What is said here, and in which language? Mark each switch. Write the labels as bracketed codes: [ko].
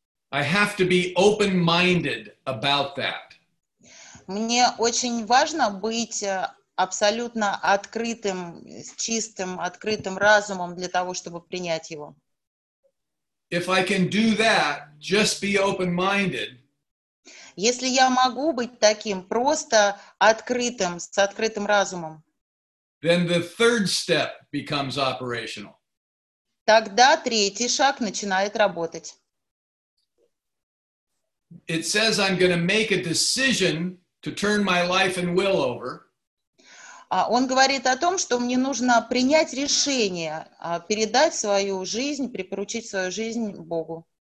[en] I have to be open-minded about that. [ru] Мне очень важно быть абсолютно открытым, чистым, открытым разумом для того, чтобы принять его. [en] If I can do that, just be open-minded. [ru] Если я могу быть таким, просто открытым, с открытым разумом. [en] Then the third step becomes operational. [ru] Тогда третий шаг начинает работать. [en] It says I'm going to make a decision to turn my life and will over. [ru] Он говорит о том, что мне нужно принять решение, передать свою жизнь, припоручить свою жизнь Богу.